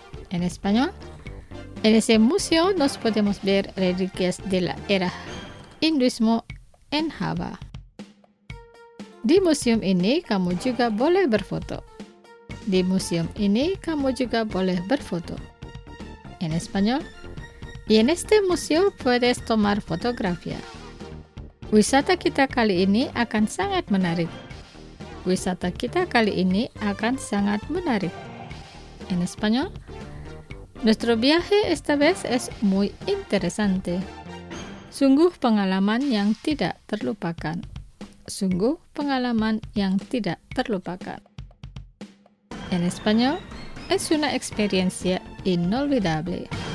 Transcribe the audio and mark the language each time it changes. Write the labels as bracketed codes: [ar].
[es] En español, en ese museo nos podemos ver reliquias de la era hinduismo en Java. [id] Di museum ini, kamu juga boleh berfoto. Di museum ini, kamu juga boleh berfoto. [es] En español, y en este museo puedes tomar fotografía. [id] Wisata kita kali ini akan sangat menarik. Wisata kita kali ini akan sangat menarik. [es] En español, nuestro viaje esta vez es muy interesante. [id] Sungguh pengalaman yang tidak terlupakan. Sungguh pengalaman yang tidak terlupakan. [es] En español, es una experiencia inolvidable.